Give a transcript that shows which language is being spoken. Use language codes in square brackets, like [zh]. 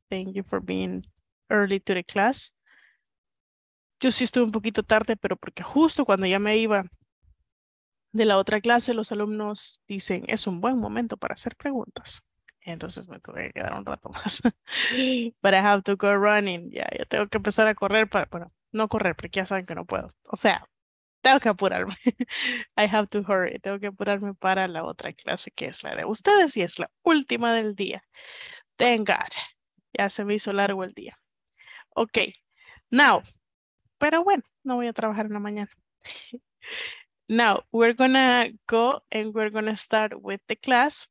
[en] Thank you for being early to the class. [es] Yo sí estuve un poquito tarde, pero porque justo cuando ya me iba de la otra clase, los alumnos dicen, es un buen momento para hacer preguntas. Entonces me tuve que quedar un rato más. [en] But I have to go running. [es] Ya, yo tengo que empezar a correr para, bueno, no correr, porque ya saben que no puedo. O sea, tengo que apurarme. [en] I have to hurry. [es] Tengo que apurarme para la otra clase, que es la de ustedes, y es la última del día. [en] Thank God. [es] Ya se me hizo largo el día. Ok. Now. Pero bueno, no voy a trabajar en la mañana. [en] Now, we're gonna go and we're gonna start with the class.